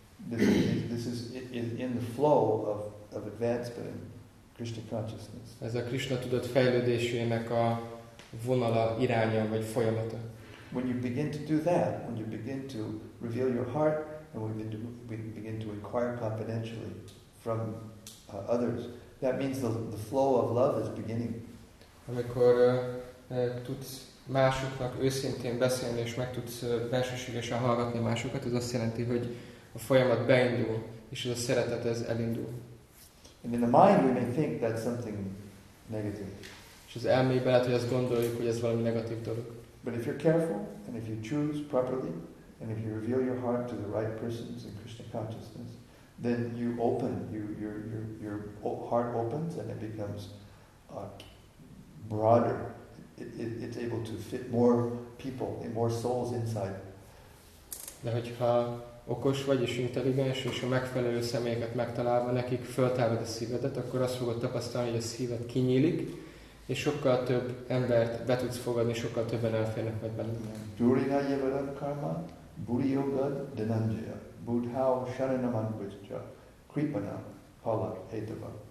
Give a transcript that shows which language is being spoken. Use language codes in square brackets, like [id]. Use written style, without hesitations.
[en] This is in the flow of advancement in Krishna consciousness. [hu] Ez a Krishna tudat fejlődésének a vonala, iránya vagy folyamata. [en] When you begin to do that, when you begin to reveal your heart, and we begin to inquire confidentially from others, that means the flow of love is beginning. [hu] Amikor tudsz másoknak őszintén beszélni, és meg tudsz belsőségesen hallgatni másokat, ez azt jelenti, hogy a folyamat beindul, és ez a szeretet ez elindul. [en] And in the mind we may think that's something negative. [hu] És az elmébe lehet, hogy azt gondoljuk, hogy ez valami negatív dolog. [en] But if you're careful, and if you choose properly, and if you reveal your heart to the right persons in Krishna consciousness, then you open, your heart opens, and it becomes broader. It's able to fit more people, and more souls inside. [hu] De hogyha okos vagy, és intelligens, és a megfelelő személyeket megtalálva nekik föltárod a szívedet, akkor azt fogod tapasztalni, hogy a szíved kinyílik, és sokkal több embert be tudsz fogadni, sokkal többen elférnek majd benned. [sa] Durina yevaran karma, buri yoga dananjaya, buddhau sharanamangvijja, kripana, Hala, Hetava.